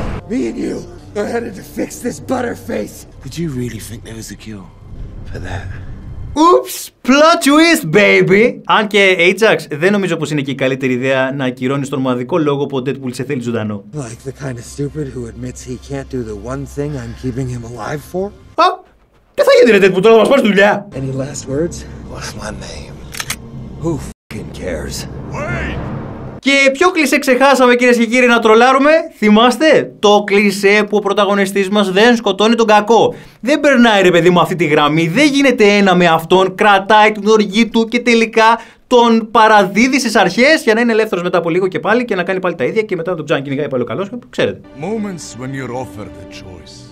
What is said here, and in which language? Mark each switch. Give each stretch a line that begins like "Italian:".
English: Me and you are headed to fix this butterface. Did you really think there was a cure for that? Oops, plot twist, baby!
Greek: Αν και, Ajax, δεν νομίζω πως είναι και η καλύτερη ιδέα να ακυρώνεις τον μοναδικό λόγο που ο Deadpool σε θέλει ζωντανό.
English: Like the kind of stupid who admits he can't do the one thing I'm keeping him alive for?
Greek: Α, τι θα γίνει, ρε Deadpool, τώρα θα μας πάρει δουλειά!
English: Any last words? What's my name? Who f***ing cares? Wait!
Greek: Και ποιο κλισέ ξεχάσαμε, κυρίες και κύριοι, να τρολάρουμε? Θυμάστε το κλισέ που ο πρωταγωνιστής μας δεν σκοτώνει τον κακό? Δεν περνάει, ρε παιδί μου, αυτή τη γραμμή. Δεν γίνεται ένα με αυτόν. Κρατάει την οργή του και τελικά τον παραδίδει στις αρχές για να είναι ελεύθερος μετά από λίγο και πάλι και να κάνει πάλι τα ίδια και μετά τον τζάνκι νιγάει πάλι ο καλός. Ξέρετε.
English: Moments when you're offered the choice.